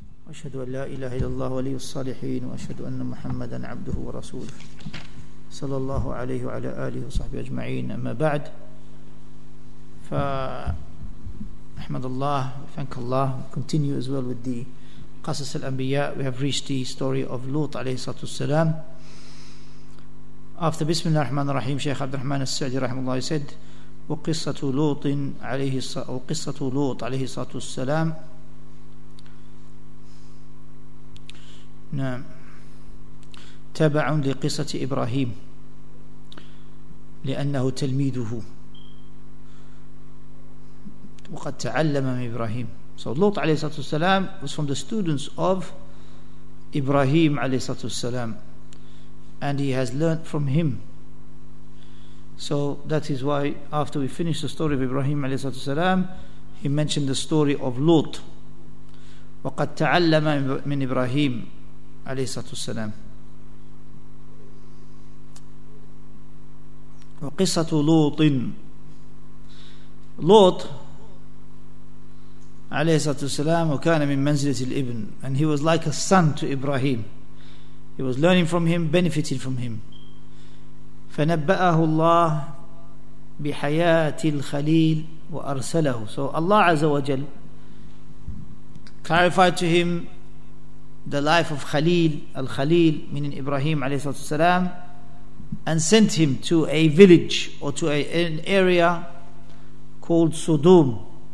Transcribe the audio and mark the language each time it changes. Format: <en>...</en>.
<ar>أشهد أن لا إله إلا الله ولي الصالحين وأشهد أن محمدا عبده ورسوله صلى الله عليه وعلى آله وصحبه أجمعين أما بعد فأحمد الله thank الله</ar> <en>continue as well with the</en> <ar>قصص الأنبياء.</ar> <en>We have reached the story of Lut</en> <ar>عليه الصلاة والسلام. After بسم الله الرحمن الرحيم شيخ عبد الرحمن السعدي رحمه الله said وقصة لوط عليه وقصة لوط عليه الصلاة والسلام. نعم تبع لقصة إبراهيم لأنه تلميذه وقد تعلم من إبراهيم.</ar> <en>So Lut</en> <ar>عليه الصلاة والسلام</ar> <en>was from the students of Ibrahim عليه الصلاة والسلام and he has learned from him. So that is why after we finish the story of Ibrahim</en> <ar>عليه الصلاة والسلام</ar> <en>he mentioned the story of Lut.</en> <ar>وقد تعلم من إبراهيم عليه الصلاة والسلام. وقصة لوط. لوط عليه الصلاة والسلام وكان من منزلة الابن</ar> <en>and he was like a son to Ibrahim. He was learning from him, benefiting from him.</en> <ar>فنبأه الله بحياة الخليل وأرسله.</ar> <en>So Allah عز وجل clarified to him the life of Khalil, Al-Khalil, meaning Ibrahim alayhi salatu salam, and sent him to a village or to an area called Sodom.</en>